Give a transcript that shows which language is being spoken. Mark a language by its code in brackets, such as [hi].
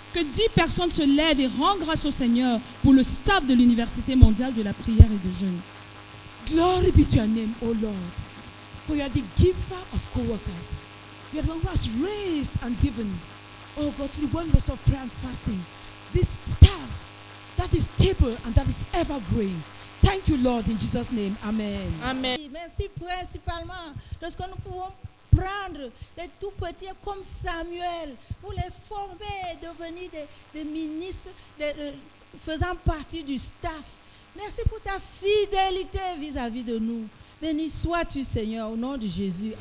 [fr] Que 10 personnes se lèvent et rendent grâce au Seigneur pour le staff de l'Université mondiale de la prière et de jeûne. [en] Glory be to your name, O Lord, for you are the giver of co-workers. You have always raised and given, O God, through the World University of Prayer and Fasting, this staff that is stable and that is ever growing. Thank you, Lord, in Jesus' name. Amen. Amen. [fr] Merci principalement de ce que nous pouvons prendre les tout petits comme Samuel pour les former et devenir des ministres faisant partie du staff. Merci pour ta fidélité vis-à-vis de nous. Béni sois-tu, Seigneur, au nom de Jésus.